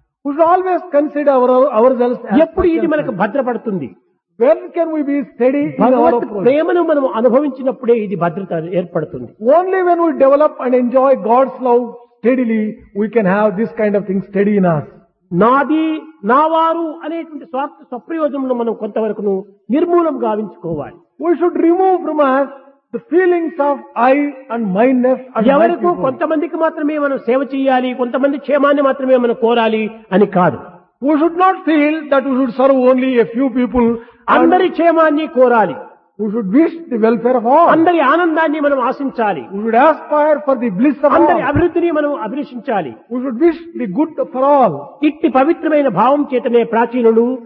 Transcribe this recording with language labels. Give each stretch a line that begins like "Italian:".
English: We should always consider ourselves.
Telugu: ఎప్పుడు ఇది మనకు భద్రపడుతుంది?
English: When can we be steady in our approach?
Telugu: ప్రేమను మనం అనుభవించినప్పుడే ఇది భద్రత ఏర్పడుతుంది.
English: Only when we develop and enjoy God's love steadily, we can have this kind of thing steady in us.
Telugu: నాది నావారు అనేటువంటి స్వార్థ స్వప్రయోజనం మనం కొంతవరకు నిర్మూలం గావించుకోవాలి.
English: We should remove from us the feelings of I and mindness.
Telugu: ఎవరికి కొంతమందికి మాత్రమే మనం సేవ చేయాలి, కొంతమంది క్షేమాన్ని మాత్రమే మనం కోరాలి అని కాదు.
English: We should not feel that we should serve only a few people.
Telugu: అందరి క్షేమాన్ని కోరాలి.
English: We should wish the welfare of all.
Telugu: అందరి ఆనందాన్ని మనం ఆశించాలి.
English: We should aspire for the bliss of all.
Telugu: అందరి అభివృద్ధిని మనం అభిలషించాలి.
English: We should wish the good for all.
Telugu: ఇట్టి పవిత్రమైన భావం చేతనే ప్రాచీనులు